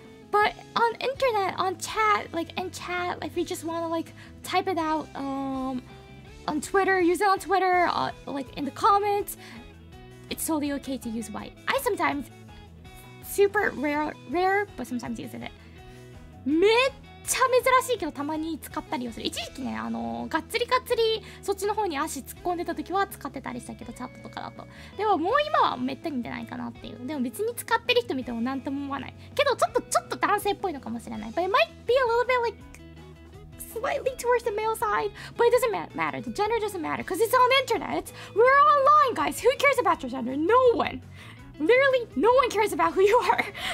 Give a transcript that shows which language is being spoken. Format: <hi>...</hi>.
<en>But on internet, on chat, like in chat, if you just want to like type it out, On Twitter, use it on Twitter, like in the comments, it's totally okay to use white. I sometimes, super rare, but sometimes use it.</en> <ja>めっちゃ珍しいけどたまに使ったりをする。一時期ね、がっつりがっつりそっちの方に足突っ込んでた時は使ってたりしたけど、チャットとかだと。でももう今はめったに出ないかなっていう。でも別に使ってる人見てもなんとも思わない。けどちょっと男性っぽいのかもしれない。</ja> <en>But it might be a little bit like,slightly towards the male side, but it doesn't matter. The gender doesn't matter because it's on the internet. We're online, guys. Who cares about your gender? No one. Literally, no one cares about who you are.</en>